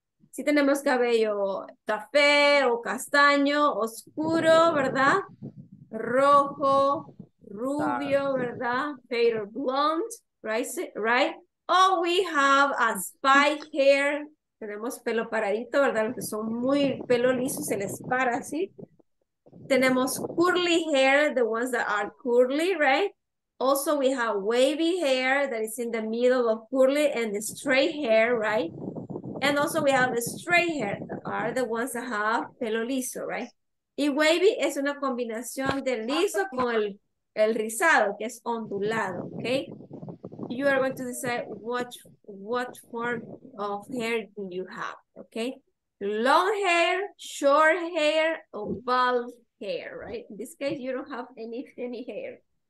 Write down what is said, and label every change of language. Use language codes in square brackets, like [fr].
[es] Si tenemos cabello café o castaño, oscuro, ¿verdad? Rojo, rubio, ¿verdad? [en] Fade or blonde, right? O we have a spike hair. [es] Tenemos pelo paradito, ¿verdad? Los que son muy pelo liso, se les para así. [en] Tenemos curly hair, the ones that are curly, right? Also, we have wavy hair that is in the middle of curly and straight hair, right? And also we have the straight hair, are the ones that have [es] pelo liso, [en] right? [es] Y wavy es una combinación de liso con el rizado, que es ondulado, okay? [en] You are going to decide what form of hair do you have, okay? Long hair, short hair, or bald hair, right? In this case, you don't have any hair.